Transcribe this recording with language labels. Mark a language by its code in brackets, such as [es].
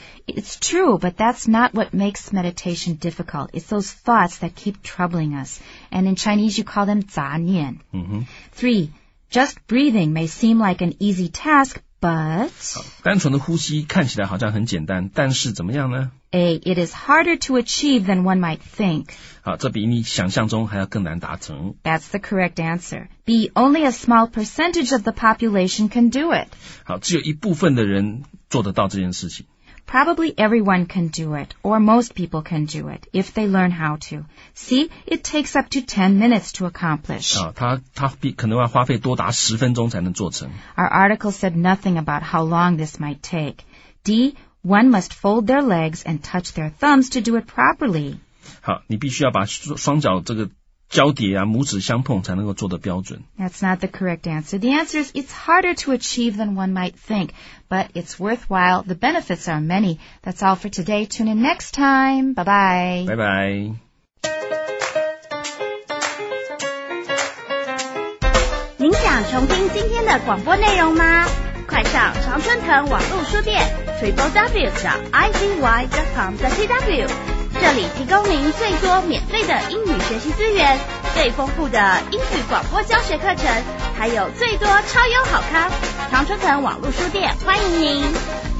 [en] It's true, but that's not what makes meditation difficult. It's those thoughts that keep troubling us. And in Chinese, you call them 杂念。嗯哼。 Three, just breathing may seem like an easy task, but... [zh] 单纯的呼吸看起来好像很简单，但是怎么样呢？ [en] A, it is harder to achieve than one might think. [zh] 好，这比你想象中还要更难达成。 [en] That's the correct answer. B, only a small percentage of the population can do it. [zh] 好，只有一部分的人做得到这件事情。 [en] Probably everyone can do it, or most people can do it, if they learn how to. C, it takes up to 10 minutes to accomplish. [zh] 好，他可能要花费多达十分钟才能做成。 [en] Our article said nothing about how long this might take. D,One must fold their legs and touch their thumbs to do it properly. [zh] 好，你必须要把双脚这个交叠啊，拇指相碰才能够做得标准。 [en] That's not the correct answer. The answer is it's harder to achieve than one might think, but it's worthwhile. The benefits are many. That's all for today. Tune in next time. Bye-bye. Bye-bye. You want to listen to today's broadcast? [zh] 快上常春藤网络书店 www.izy.com.tw， 这里提供您最多免费的英语学习资源，最丰富的英语广播教学课程，还有最多超优好康。常春藤网络书店欢迎您。